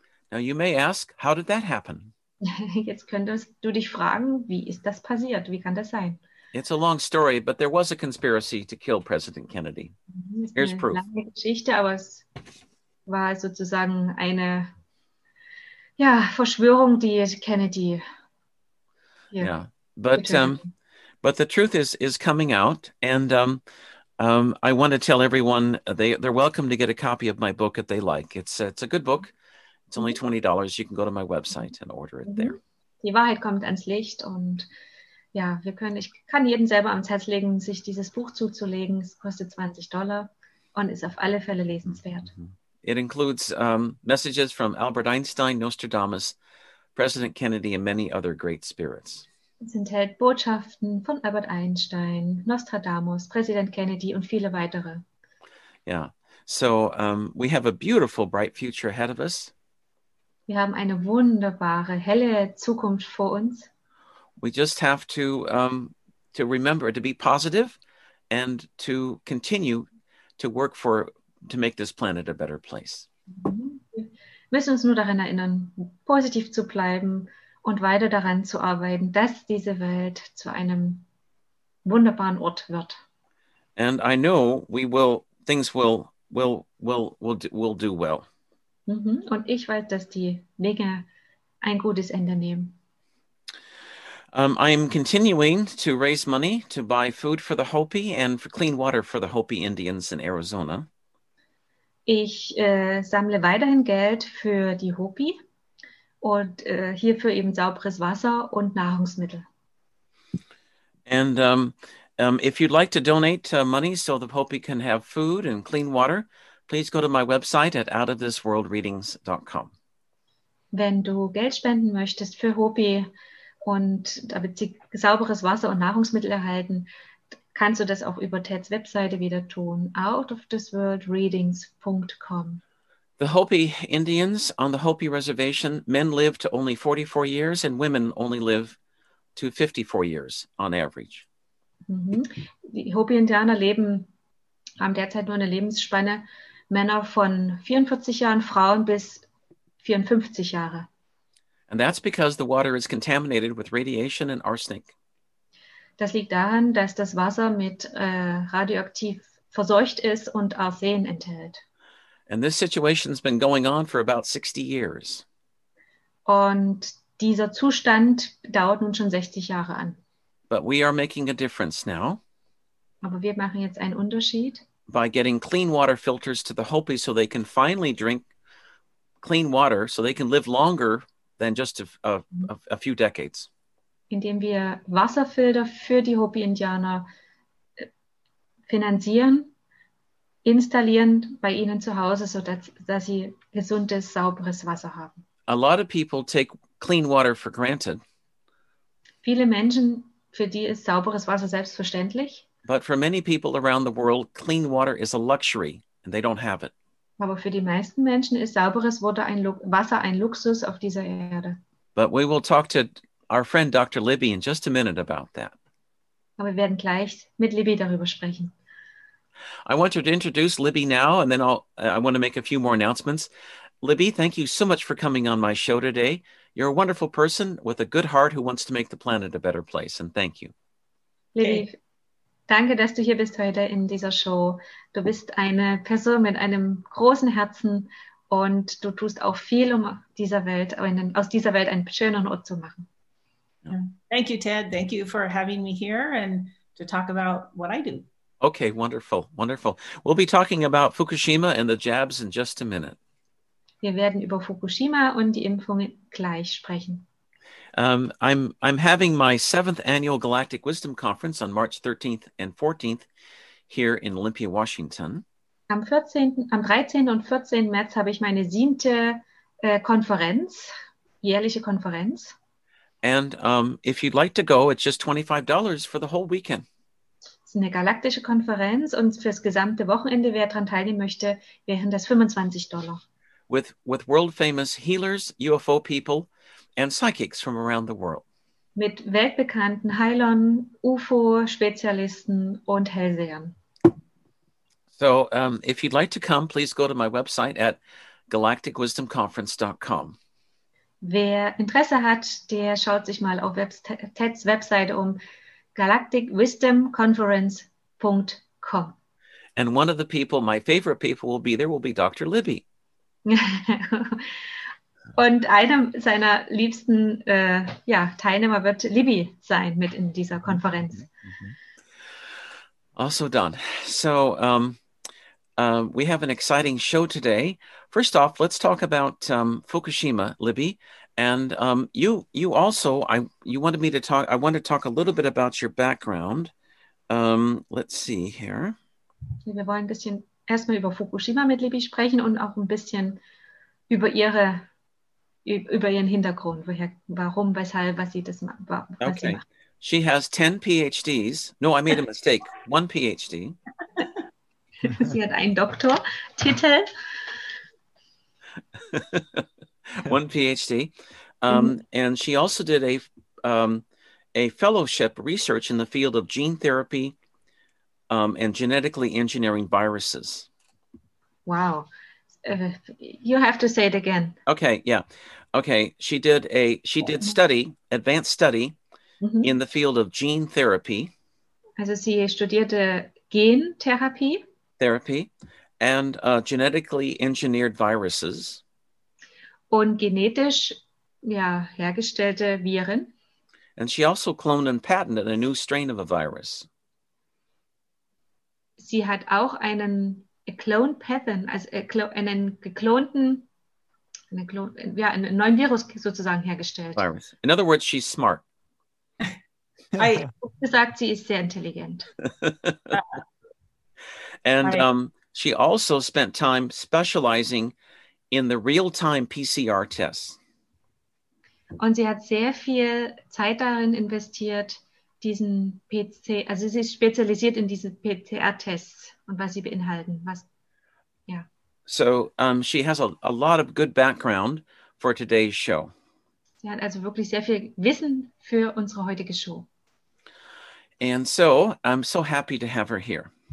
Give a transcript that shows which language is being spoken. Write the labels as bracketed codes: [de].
[en] Now you may ask, how did that happen? [de] Jetzt könntest du dich fragen, wie ist das passiert? Wie kann das sein? [en] It's a long story, but there was a conspiracy to kill President Kennedy. Here's proof. [de] Lange Geschichte, aber es war sozusagen eine ja, Verschwörung, die Kennedy. [en] Yeah, but but the truth is coming out, and I want to tell everyone they're welcome to get a copy of my book if they like. It's a good book. It's only $20. You can go to my website and order it there. [de] Die Wahrheit kommt ans Licht, und ja, wir können, ich kann jedem selber ans Herz legen, sich dieses Buch zuzulegen. Es kostet $20 und ist auf alle Fälle lesenswert. [en] It includes messages from Albert Einstein, Nostradamus, President Kennedy and many other great spirits. [de] Es enthält Botschaften von Albert Einstein, Nostradamus, Präsident Kennedy und viele weitere. [en] Yeah, so we have a beautiful, bright future ahead of us. [de] Wir haben eine wunderbare, helle Zukunft vor uns. [en] We just have to remember to be positive and to continue to work for to make this planet a better place. [de] Wir müssen uns nur daran erinnern, positiv zu bleiben und weiter daran zu arbeiten, dass diese Welt zu einem wunderbaren Ort wird. [en] And I know we will, things will do well. [de] Und ich weiß, dass die Dinge ein gutes Ende nehmen. [en] I am continuing to raise money to buy food for the Hopi and for clean water for the Hopi Indians in Arizona. [de] Ich sammle weiterhin Geld für die Hopi und hierfür eben sauberes Wasser und Nahrungsmittel. [en] And if you'd like to donate money so the Hopi can have food and clean water, please go to my website at outofthisworldreadings.com. [de] Wenn du Geld spenden möchtest für Hopi und damit sie sauberes Wasser und Nahrungsmittel erhalten, kannst du das auch über Teds Webseite wieder tun, outofthisworldreadings.com. [en] The Hopi Indians on the Hopi Reservation, men live to only 44 years and women only live to 54 years on average. [de] Die Hopi-Indianer leben, haben derzeit nur eine Lebensspanne, Männer von 44 Jahren, Frauen bis 54 Jahre. [en] And that's because the water is contaminated with radiation and arsenic. [de] Das liegt daran, dass das Wasser mit radioaktiv verseucht ist und Arsen enthält. [en] And this situation's been going on for about 60 years. [de] Und dieser Zustand dauert nun schon 60 Jahre an. [en] But we are making a difference now. [de] Aber wir machen jetzt einen Unterschied. [en] By getting clean water filters to the Hopi so they can finally drink clean water so they can live longer than just a few decades. [de] Indem wir Wasserfilter für die Hopi-Indianer finanzieren, installieren bei ihnen zu Hause, sodass sie gesundes, sauberes Wasser haben. [en] A lot of people take clean water for granted. [de] Viele Menschen, für die ist sauberes Wasser selbstverständlich. [en] But for many people around the world, clean water is a luxury and they don't have it. [de] Aber für die meisten Menschen ist sauberes Wasser ein Luxus auf dieser Erde. [en] But we will talk to our friend Dr. Libby in just a minute about that. [de] Aber wir werden gleich mit Libby darüber sprechen. [en] I want to introduce Libby now, and then I want to make a few more announcements. Libby, thank you so much for coming on my show today. You're a wonderful person with a good heart who wants to make the planet a better place, and thank you. [de] Libby, danke, dass du hier bist heute in dieser Show. Du bist eine Person mit einem großen Herzen, und du tust auch viel, um aus dieser Welt einen schöneren Ort zu machen. [en] Thank you, Ted. Thank you for having me here and to talk about what I do. Okay, wonderful, wonderful. We'll be talking about Fukushima and the jabs in just a minute. [de] Wir werden über Fukushima und die Impfungen gleich sprechen. [en] I'm having my 7th annual Galactic Wisdom Conference on March 13th and 14th here in Olympia, Washington. [de] Am 13. und 14. März habe ich meine 7. Konferenz, jährliche Konferenz. [en] And if you'd like to go, it's just $25 for the whole weekend. [de] Es ist eine galaktische Konferenz, und fürs gesamte Wochenende, wer daran teilnehmen möchte, wären das $25. [en] With world famous healers, UFO people, and psychics from around the world. [de] Mit weltbekannten Heilern, UFO-Spezialisten und Hellsehern. [en] So if you'd like to come, please go to my website at galacticwisdomconference.com. [de] Wer Interesse hat, der schaut sich mal auf Teds Webseite um, galacticwisdomconference.com. [en] And one of the people, my favorite people will be there, will be Dr. Libby. [de] Und einer seiner liebsten Teilnehmer wird Libby sein mit in dieser Konferenz. [en] Also done. So we have an exciting show today. First off, let's talk about Fukushima, Libby. And I want to talk a little bit about your background. Let's see here. [de] Wir wollen ein bisschen erstmal über Fukushima mit Libby sprechen und auch ein bisschen über ihre über ihren Hintergrund, woher, warum, weshalb, was sie das was [en] okay. [de] sie macht. [en] She has 10 PhDs. No, I made a mistake. 1 PhD. [de] Sie hat einen Doktortitel. [en] 1 PhD. And she also did a fellowship research in the field of gene therapy and genetically engineering viruses. Wow. You have to say it again. Okay, yeah. Okay, she did advanced study mm-hmm. in the field of gene therapy. [de] Also sie studierte Gentherapie. [en] Therapy and genetically engineered viruses. [de] Und genetisch hergestellte Viren. [en] And she also cloned and patented a new strain of a virus. [de] Sie hat auch einen [en] clone pattern, [de] also einen neuen Virus sozusagen hergestellt. [en] Virus. In other words, she's smart. [de] I gesagt, sie ist sehr intelligent. [en] And she also spent time specializing in the real-time PCR tests. [de] Und sie hat sehr viel Zeit darin investiert, diesen PC, also sie ist spezialisiert in diesen PCR-Tests und was sie beinhalten. [en] So she has a lot of good background for today's show. [de] Sie hat also wirklich sehr viel Wissen für unsere heutige Show. [en] And so I'm so happy to have her here.